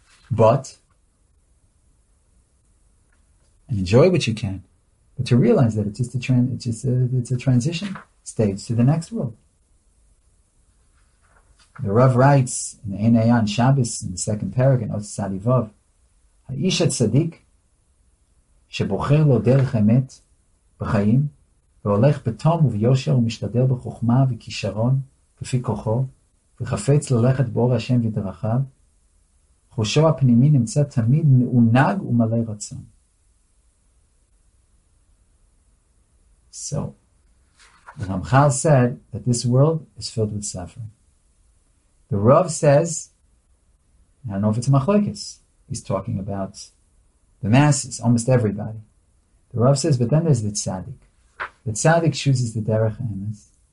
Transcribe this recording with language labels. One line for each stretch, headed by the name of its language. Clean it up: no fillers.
English: But, and enjoy what you can, but to realize that it's a transition stage to the next world. The Rav writes in the Ein Ayan Shabbos in the second paragraph in Otz Sadi Vav,
Hebrew: האיש הצדיק שבוחר לו דרך אמת בחיים והולך בתום וביושר ומשתדל בחוכמה וכישרון כפי כוחו וחפץ ללכת באור השם ודרכיו, חושו הפנימי נמצא תמיד מעונג ומלא רצון.
English: So, the Ramchal said that this world is filled with suffering. The Rav says, I don't know if it's a machlokes, he's talking about the masses, almost everybody. The Rav says, but then there's the tzaddik. The tzaddik chooses the derech ha'emes.